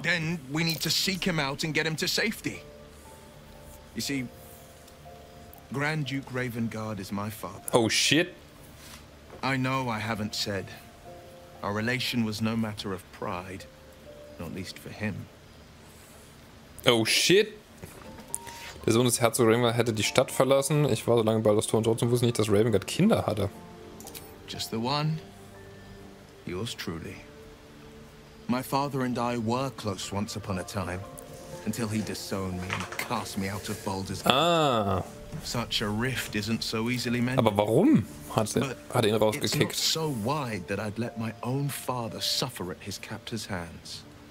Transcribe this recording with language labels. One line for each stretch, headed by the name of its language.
English: Then we need to seek him out and get him to safety. You see, Grand Duke Ravengard is my father. Oh shit. I know I haven't said. Our relation was no matter of pride, not least for him. Oh shit!
German: Der Sohn des Herzogs Ravengard hätte die Stadt verlassen. Ich war so lange bei Baldur's Tor und trotzdem wusste nicht, dass Ravengard Kinder hatte.
English: Just the one. Yours truly. My father and I were close once upon a time, until he disowned me and cast me out of Baldur's Gate. Ah. Such a rift isn't so easily mended.
German: Aber warum hat ihn rausgekickt?
English: It's not so wide that I'd let my own father suffer at his captor's hands.